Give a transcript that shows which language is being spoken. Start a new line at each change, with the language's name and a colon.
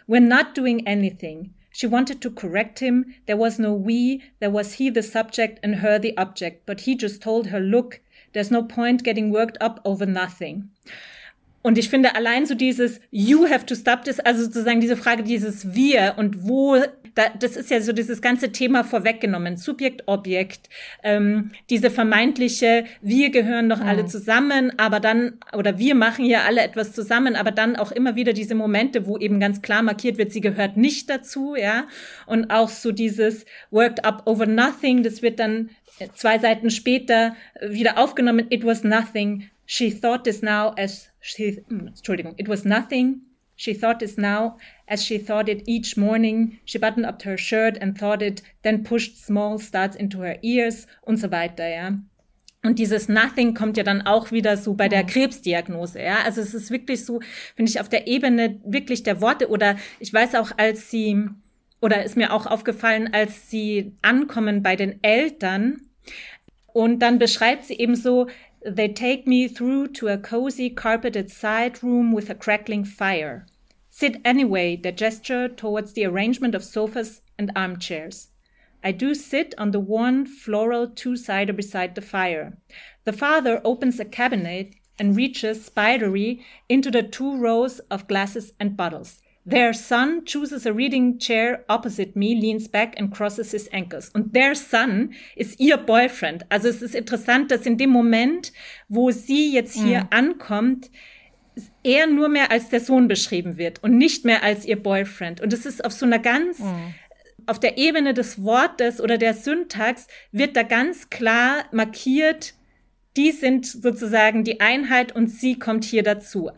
English: We're not doing anything. She wanted to correct him. There was no we. There was he the subject and her the object. But he just told her, look, there's no point getting worked up over nothing.
German: Und ich finde allein so dieses
English: you have to stop this,
German: also sozusagen diese Frage, dieses wir und wo, das ist ja so dieses ganze Thema vorweggenommen, Subjekt, Objekt, diese vermeintliche, wir gehören doch alle zusammen, aber dann, oder wir machen hier alle etwas zusammen, aber dann auch immer wieder diese Momente, wo eben ganz klar markiert wird, sie gehört nicht dazu, ja. Und auch so dieses
English: worked up over nothing,
German: das wird dann 2 Seiten später wieder aufgenommen.
English: It was nothing. She thought this now as she,
German: Entschuldigung.
English: It was nothing. She thought this now as she thought it each morning. She buttoned up her shirt and thought it, then pushed small starts into her ears
German: und so weiter,
English: ja.
German: Und dieses Nothing kommt ja dann auch wieder so bei der Krebsdiagnose, ja. Also es ist wirklich so, finde ich, auf der Ebene wirklich der Worte oder ich weiß auch, als sie, oder ist mir auch aufgefallen, als sie ankommen bei den Eltern, und dann beschreibt sie eben so:
English: They take me through to a cozy carpeted side room with a crackling fire. Sit anyway, they gesture towards the arrangement of sofas and armchairs. I do sit on the one floral two-sider beside the fire. The father opens a cabinet and reaches spidery into the 2 rows of glasses and bottles. Their son chooses a reading chair opposite me, leans back and crosses his ankles.
German: Und
English: their son
German: ist ihr Boyfriend. Also es ist interessant, dass in dem Moment, wo sie jetzt hier ankommt, er nur mehr als der Sohn beschrieben wird und nicht mehr als ihr Boyfriend. Und es ist auf so einer ganz, auf der Ebene des Wortes oder der Syntax wird da ganz klar markiert, die sind sozusagen die Einheit und sie kommt hier dazu.